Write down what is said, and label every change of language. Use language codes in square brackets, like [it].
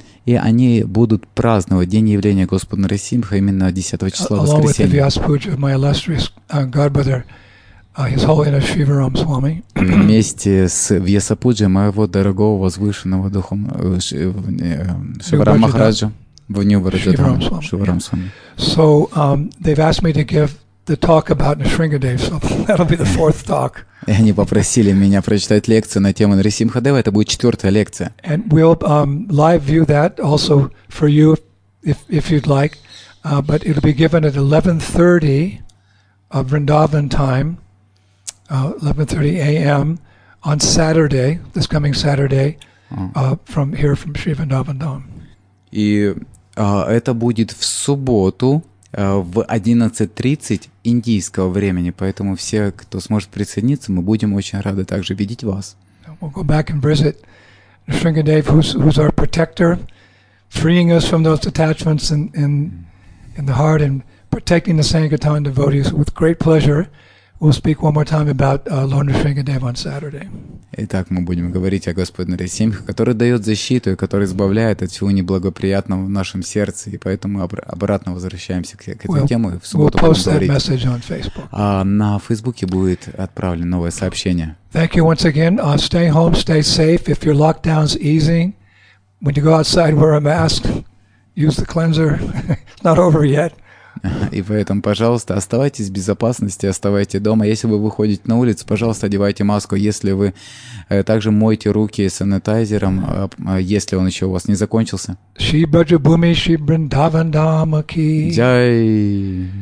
[ru] И они будут праздновать день явления Господа Нрисимха именно 10 числа воскресенья. [en] Along with the Vyaspuja of my illustrious godbrother, His Holiness Shivaram Swami. [ru] Вместе с Вьясапуджи моего дорогого возвышенного духом Шиварам Махараджа. В Нью-Брадже-Дхаме. [en] So they've asked me to give the talk about Нрисимхадева, so that'll be the fourth talk. [ru] И они попросили меня прочитать лекцию на тему Нрисимхадева, это будет четвертая лекция. [en] And we'll live view that also for you if you'd like, but it'll be given at 11:30 of Vrindavan time, 11:30 a.m. on Saturday, this coming Saturday, from here from Sri Vrindavan Dham. [ru] И это будет в субботу в 11:30 индийского времени, поэтому все, кто сможет присоединиться, мы будем очень рады также видеть вас. [en] We'll go back and visit Nrisimhadev, who's our protector, freeing us from those attachments in the heart and protecting the Sankirtan devotees with great pleasure. We'll speak one more time about Lord Nrisimhadeva on Saturday. [ru] Итак, мы будем говорить о Господе Нрисимхе, который дает защиту и который избавляет от всего неблагоприятного в нашем сердце, и поэтому обратно возвращаемся к этой теме в субботу. [en] We'll post that message on Facebook. [ru] А на Фейсбуке будет отправлено новое сообщение. [en] Thank you once again. Stay home, stay safe. If your lockdown's easing, when you go outside, wear a mask, use the cleanser. It's not over yet. [ru] И поэтому, пожалуйста, оставайтесь в безопасности, оставайтесь дома. Если вы выходите на улицу, пожалуйста, одевайте маску. Если вы также мойте руки санитайзером, если он еще у вас не закончился. Шри Браджабуми, Шри Бриндавандамаки. Джай.